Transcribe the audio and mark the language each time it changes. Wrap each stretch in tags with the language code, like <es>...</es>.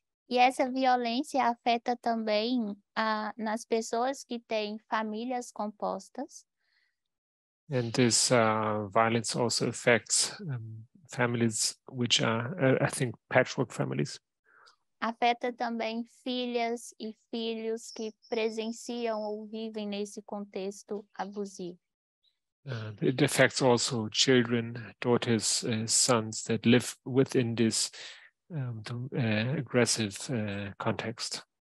<pt>E essa violência afeta também nas pessoas que têm famílias compostas.</pt> <en>And this violence also affects families which are, I think, patchwork families.</en> <pt>Afeta também filhas e filhos que presenciam ou vivem nesse contexto abusivo.</pt> <en>It affects also children, daughters, sons that live within this aggressive context.</en>